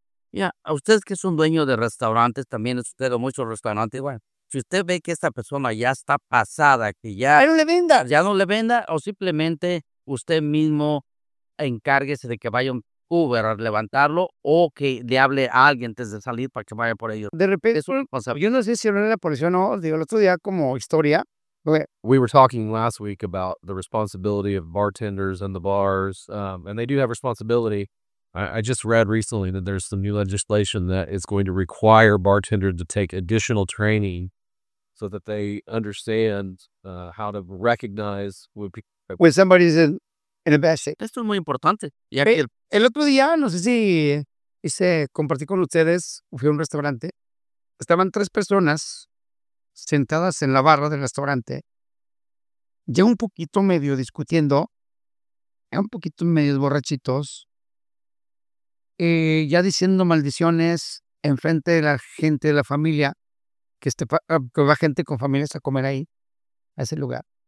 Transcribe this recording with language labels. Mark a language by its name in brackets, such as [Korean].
[Spanish] Ya, a ustedes que son dueños de restaurantes, también es usted o muchos restaurantes, bueno, si usted ve que esta persona ya está pasada, que ya... ¡Ay, no le venda! Ya no le venda, o simplemente usted mismo encárguese de que vaya un Uber a levantarlo o que le hable a alguien antes de salir para que vaya por ellos. De repente, yo no sé si era la policía o no, digo, el otro día como historia. [English] We were talking last week about the responsibility of bartenders and the bars, and they do have responsibility. I just read recently that there's some new legislation that is going to require bartenders to take additional training so that they understand how to recognize when somebody is in a bad state. [Spanish] Esto es muy importante. El otro día, no sé si hice, compartí con ustedes, fui a un restaurante. Estaban tres personas sentadas en la barra del restaurante, ya un poquito medio discutiendo, un poquito medio borrachitos, ya diciendo maldiciones en frente de la gente de la familia, que va gente con familias a comer ahí, a ese lugar.